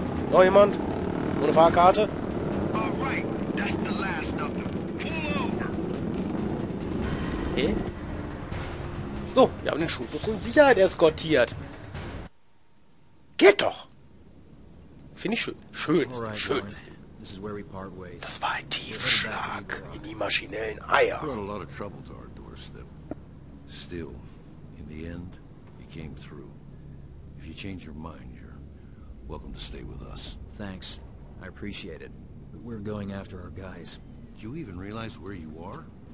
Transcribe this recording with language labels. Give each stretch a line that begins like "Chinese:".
German: Noch jemand? Ohne Fahrkarte?
English: Alright, that's the last of them.
German: So, wir haben den Schulbus in Sicherheit eskortiert. Geht doch! Finde ich schön. Schön ist das, schön.
English: This is where we part ways.
German: Das war ein Tiefschlag in die maschinellen Eier.
English: We're in a lot of trouble to our doorstep. Still, in the end, you came through. If you change your mind, you're welcome to stay with us. Thanks. I appreciate it. But we're going after our guys. Do you even realize where you are?